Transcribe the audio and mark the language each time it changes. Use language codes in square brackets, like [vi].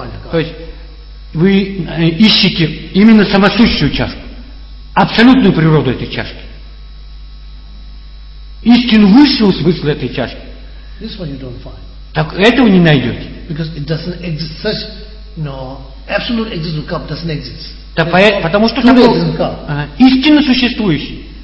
[ru] То есть вы ищете именно самосущую чашку, абсолютную природу этой чашки, истину высшего смысла этой чашки. [en] This one you don't find. [ru] Так этого не найдете. [en] Because it doesn't exist. Such, no, absolute existence of cup doesn't exist. [ru] Потому что истинно существующий.